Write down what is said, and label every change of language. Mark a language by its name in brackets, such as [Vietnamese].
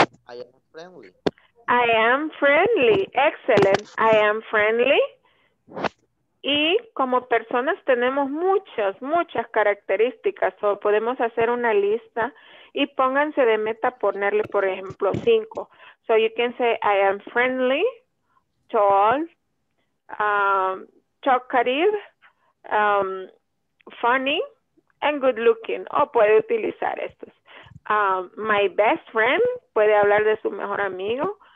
[English] I am friendly. I am friendly. Excellent. I am friendly. [Spanish] Y como personas tenemos muchas, muchas características. So podemos hacer una lista y pónganse de meta ponerle, por ejemplo, 5. [English] So you can say, I am friendly, tall, talkative, funny, and good looking. [Spanish] O puede utilizar estos. [English] My best friend, [Spanish] puede hablar de su mejor amigo.